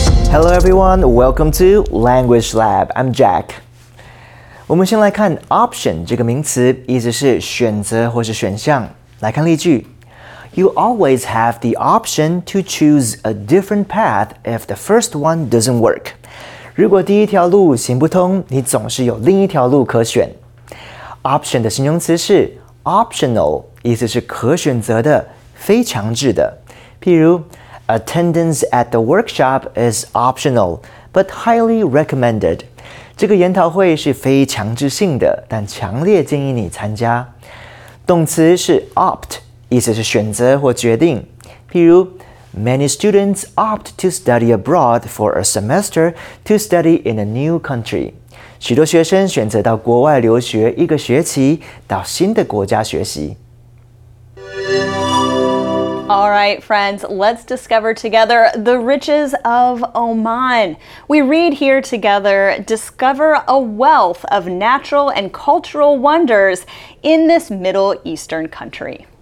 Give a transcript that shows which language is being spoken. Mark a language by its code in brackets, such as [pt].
[en] Hello everyone, welcome to Language Lab. I'm Jack. [zh] 我们先来看 option 这个名词，意思是选择或是选项。来看例句。 [en] You always have the option to choose a different path if the first one doesn't work. [zh] 如果第一条路行不通，你总是有另一条路可选。 Option 的形容词是 optional， 意思是可选择的、非强制的。譬如 [en] ，Attendance at the workshop is optional but highly recommended。 [zh] 这个研讨会是非强制性的，但强烈建议你参加。动词是 opt， 意思是选择或决定。譬如。 [en] Many students opt to study abroad for a semester to study in a new country. [zh] 许多学生选择到国外留学一个学期，到新的国家学习。 [en] All right, friends, let's discover together the riches of Oman. We read here together, discover a wealth of natural and cultural wonders in this Middle Eastern country.